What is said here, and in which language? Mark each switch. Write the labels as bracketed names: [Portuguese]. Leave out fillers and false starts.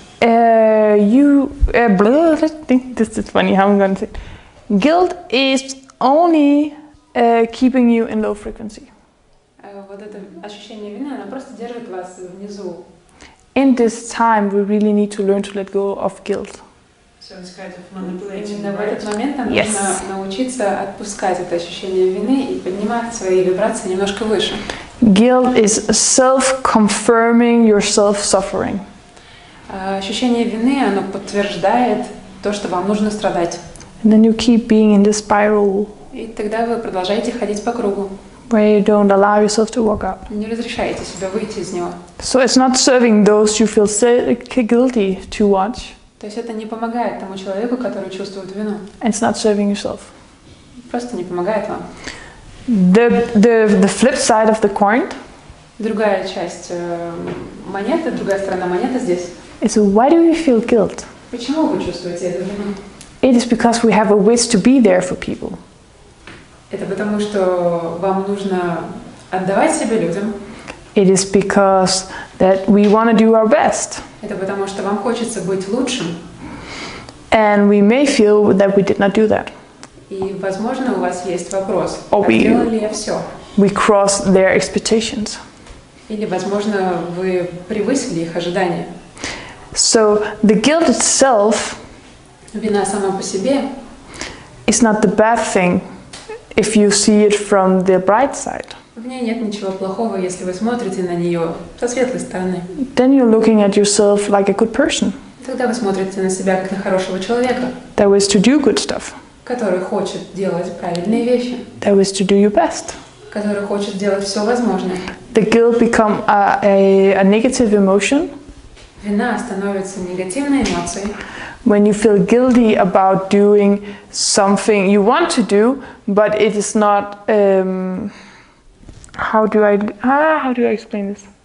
[English] This is funny, how I'm gonna say it. Guilt is only keeping you in low frequency. [Russian] Вот это ощущение вины, оно просто держит вас внизу. [English] In this time, we really need to learn to let go of guilt. So it's kind of manipulating, right? [Russian] Именно в этот момент нам нужно научиться отпускать это ощущение вины и поднимать свои вибрации немножко выше. [English] Guilt is self-confirming your self-suffering. [Russian] Ощущение вины, оно подтверждает то, что вам нужно страдать. [English] And then you keep being in this spiral. [Russian] И тогда вы продолжаете ходить по кругу. [English] Where you don't allow yourself to walk up. [Russian] Не разрешаете себе выйти из него. [English] So it's not serving those you feel guilty to watch. [Russian] То есть это не помогает тому человеку, который чувствует вину. [English] It's not serving yourself. [Russian] Просто не помогает вам. [English] The flip side of the coin. [Russian] Другая часть монеты, другая сторона монеты здесь. [English] Is why do you feel guilt? [Russian] Почему вы чувствуете эту вину? [English] It is because we have a wish to be there for people. [Russian] Это потому, что вам нужно отдавать себя людям. [English] It is because that we want to do our best. [Russian] Это потому, что вам хочется быть лучшим. [English] And we may feel that we did not do that. [Russian] И, возможно, у вас есть вопрос, сделал ли я все? [English] We cross their expectations. [Russian] Или, возможно, вы превысили их ожидания. [English] So the guilt itself. [Russian] Вина сама по себе. [English] It's not the bad thing if you see it from the bright side. [Russian] В ней нет ничего плохого, если вы смотрите на нее со светлой стороны. [English] Then you're looking at yourself like a good person. [Russian] Тогда вы смотрите на себя как на хорошего человека. [English] That was to do good stuff. [Russian] Который хочет делать правильные вещи. [English] That was to do your best. [Russian] Который хочет делать все возможное. [English] The guilt become a negative emotion. [Russian] Вина становится негативной эмоцией. [English] When you feel guilty about doing something you want to do, but it is not, how do I explain this?